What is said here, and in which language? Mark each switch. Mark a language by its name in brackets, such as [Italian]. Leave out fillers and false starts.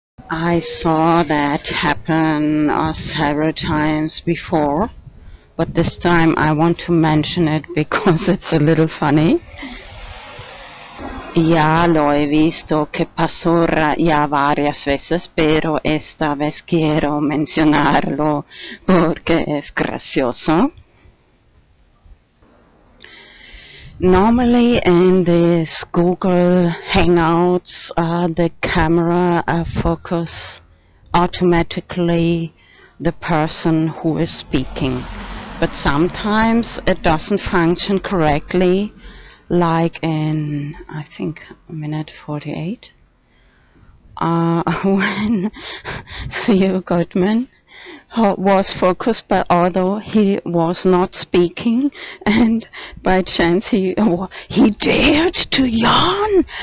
[English] I saw that happen several times before, but this time I want to mention it because it's a little funny. [Spanish] Ya lo he visto que pasó ya varias veces, pero esta vez quiero mencionarlo porque es gracioso. [English] Normally in these Google Hangouts, the camera focuses automatically the person who is speaking. But sometimes it doesn't function correctly, like in, I think, minute 48, when Theo Goodman was focused, but although he was not speaking, and by chance he dared to yawn.